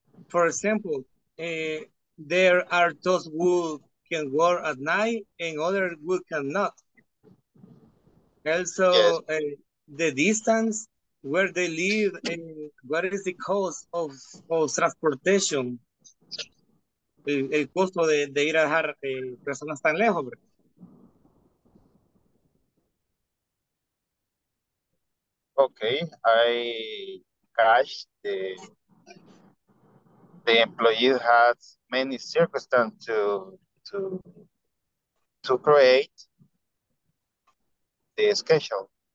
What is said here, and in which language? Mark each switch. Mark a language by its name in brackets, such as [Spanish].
[English] For example, there are those who can work at night and others who cannot. Also, yes. The distance, where they live, and what is the cost of transportation? [Spanish] El costo de ir a dejar personas tan lejos, bro. [English] Okay, I catch the employee has many circumstances to create the schedule.